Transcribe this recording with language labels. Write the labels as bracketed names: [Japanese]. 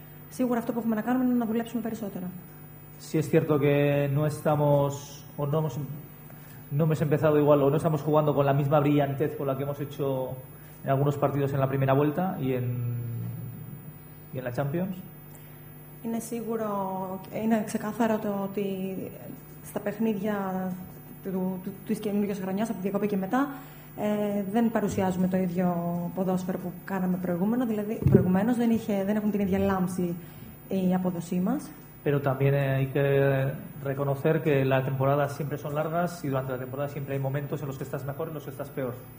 [Greek] Σίγουρα αυτό που έχουμε να κάνουμε είναι να δουλέψουμε περισσότερο. [Spanish] Si es cierto que no estamos o no hemos empezado igual o no estamos jugando con la misma brillantez con la que hemos hecho en algunos partidos en la primera vuelta y en la Champions. [Greek] Είναι σίγουρο, είναι ξεκάθαρο το ότι στα παιχνίδια της καινούργιας χρονιάς, από τη διακοπή και μετά, δεν παρουσιάζουμε το ίδιο ποδόσφαιρο που κάναμε προηγούμενο. Δηλαδή, προηγουμένως δεν έχουν την ίδια λάμψη η απόδοσή μας. [Spanish] Pero también hay que reconocer que la temporada siempre son largas y durante la temporada siempre hay momentos en los que estás mejor y en los que estás peor.